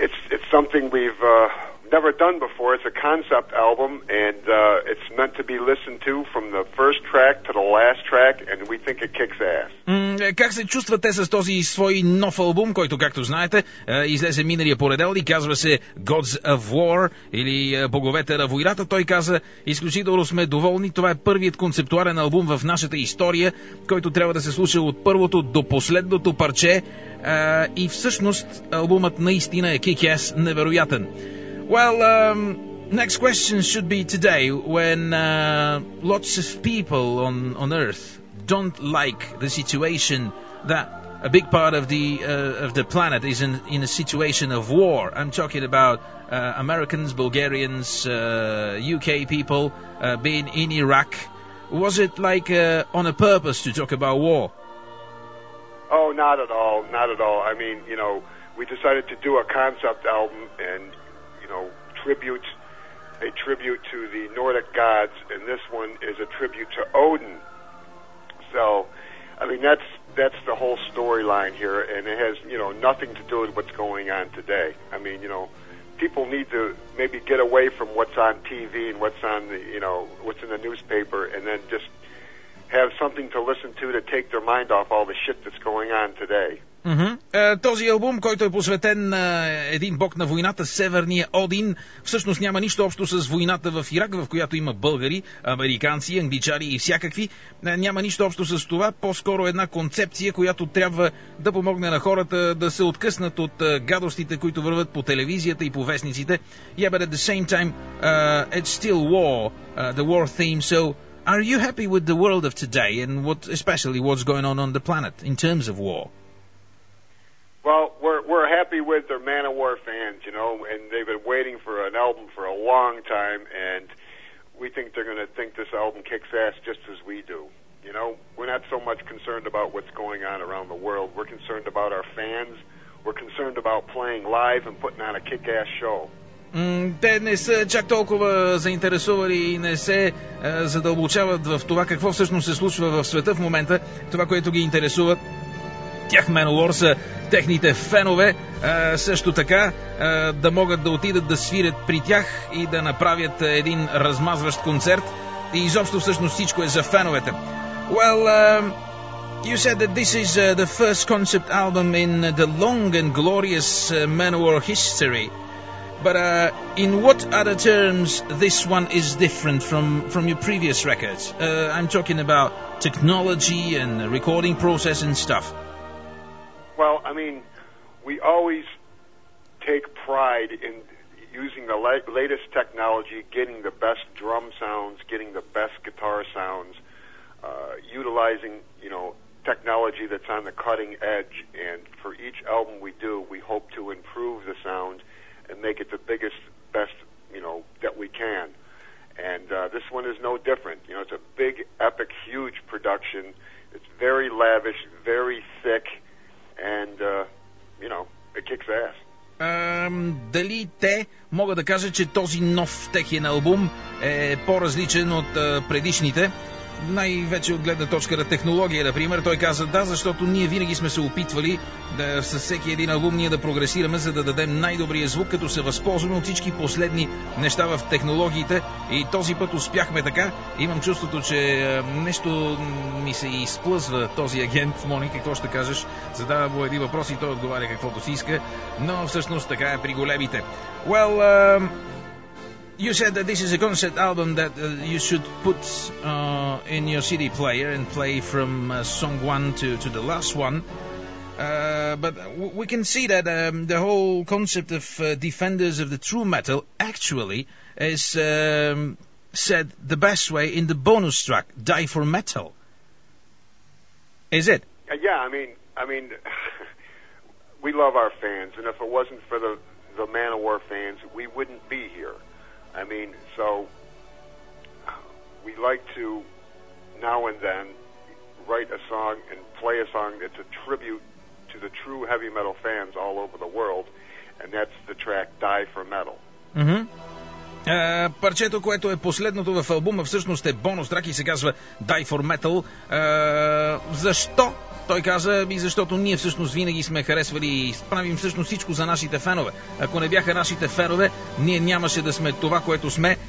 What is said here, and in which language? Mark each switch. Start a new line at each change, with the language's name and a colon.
English: It's something we've... never done before. It's a concept album, and it's meant to be listened to from the first track to the last track, and we think it kicks ass.
Bulgarian: Как се чувствате с този свой нов албум, който, както знаете, излезе миналия понеделник, казва се Gods of War, или Боговете на войната. Той каза, изключително сме доволни, това е първият концептуален албум в нашата история, който трябва да се слуша от първото до последното парче, и всъщност албумът наистина е kick-ass невероятен.
English: Well, next question should be today, when lots of people on Earth don't like the situation that a big part of the planet is in a situation of war. I'm talking about Americans, Bulgarians, UK people being in Iraq. Was it like on a purpose to talk about war? Oh, not at all, not at all. I mean, you know, we decided to do a concept album and... You know, a tribute to the Nordic gods, and this one is a tribute to Odin. So, I mean, that's the whole storyline here, and it has, you know, nothing to do with what's going on today. I mean, you know, people need to maybe get away from what's on TV and what's on the, you know, what's in the newspaper, and then just have something to listen to take their mind off all the shit that's going on today.
Bulgarian: Този албум, който е посветен на един бог на войната, Северния Один, всъщност няма нищо общо с войната в Ирак, в която има българи, американци, англичари и всякакви. Няма нищо общо с това, по-скоро една концепция, която трябва да помогне на хората да се откъснат от гадостите, които върват по телевизията и по вестниците.
English: Yeah, but at the same time, it's still war, the war theme, so are you happy with the world of today and what, especially what's going on the planet in terms of war? Well, we're happy with their Man of War fans, you know, and they've been waiting for an album for a long time, and we think they're going to think this album kicks ass just as we do. You know, we're not so much concerned about what's going on around the world. We're concerned about our fans. We're concerned about playing live and putting on a kick-ass show.
Bulgarian: Те не са чак толкова заинтересовани и не се задълбочават в това какво всъщност се случва в света в момента. Това, което ги интересува, тях Man of War са техните фенове, също така да могат да отидат да свирят при тях и да направят един размазващ концерт. И изобщо всъщност всичко е за феновете.
English: Well, you said that this is the first concept album in the long and glorious Man of War history. But in what other terms this one is different from your previous records? I'm talking about technology and the recording process and stuff. Well, I mean, we always take pride in using the latest technology, getting the best drum sounds, getting the best guitar sounds, utilizing, you know, technology that's on the cutting edge. And for each album we do, we hope to improve the sound and make it the biggest, best, you know, that we can. And this one is no different. You know, it's a big, epic, huge production. It's very lavish, very thick. And, you know, it kicks ass.
Bulgarian: Дали те мога да кажа, че този нов техен албум е по-различен от предишните? Най-вече от гледна точка на технология, например, той каза да, защото ние винаги сме се опитвали да със всеки един албум ние да прогресираме, за да дадем най-добрия звук, като се възползваме от всички последни неща в технологиите. И този път успяхме така. Имам чувството, че нещо ми се изплъзва този агент. Моник, какво ще кажеш? Задава му един въпрос и той отговаря каквото си иска. Но всъщност така е при големите.
English: Well, you said that this is a concept album that you should put in your CD player and play from song one to the last one. But we can see that the whole concept of defenders of the true metal actually is said the best way in the bonus track, Die for Metal. Is it? Yeah, I mean, we love our fans, and if it wasn't for the Man of War fans, we wouldn't be here. I mean, so we like to now and then write a song and play a song that's a tribute to the true heavy metal fans all over the world, and that's the track Die for Metal. Mm-hmm.
Bulgarian: Парчето, което е последното в албума, всъщност е бонус трак и се казва Die for Metal. Защо? Той каза, и защото ние всъщност винаги сме харесвали и правим всъщност всичко за нашите фенове. Ако не бяха нашите фенове, ние нямаше да сме това, което сме.